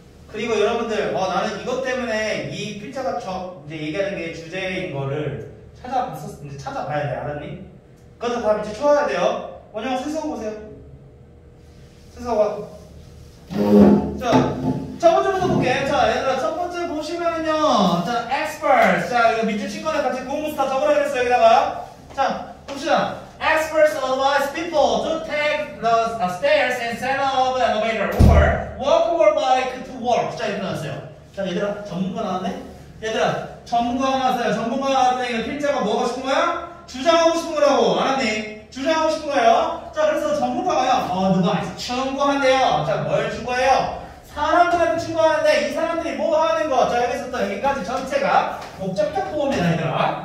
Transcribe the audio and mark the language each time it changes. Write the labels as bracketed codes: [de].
[ko] 그리고 여러분들, 나는 이것 때문에 이 필자가 저 이제 얘기하는 게 주제인 거를 찾아봤었는데 찾아봐야 돼, 알았니? 그것도 다 이제 쳐야 돼요. 원영아, 스스로 보세요. 스스로 봐. 자, 첫 번째부터 볼게. 자, 얘들아, 첫 번째 보시면은요. 자, experts. 자, 이거 밑에 친구랑 같이 공부 다 적으라 그랬어요, 여기다가. 자, 봅시다. [en] Experts advise people to take the stairs instead of the elevator or walk or bike to work. [ko] 자, 이렇게 나왔어요. 자, 얘들아, 전문가 나왔네? 얘들아, 전문가 나왔어요. 전문가 나왔는데 이거 필자가 뭐 하고 싶은 거야? 주장하고 싶은 거라고, 알았니? 주장하고 싶은 거예요. 자, 그래서 전문가가요. 누가 충고한대요. 자, 뭘 충고해요? 사람들한테 충고하는데 이 사람들이 뭐 하는 거. 자, 여기서 또 여기까지 전체가 목적격 보호입니다, 얘들아.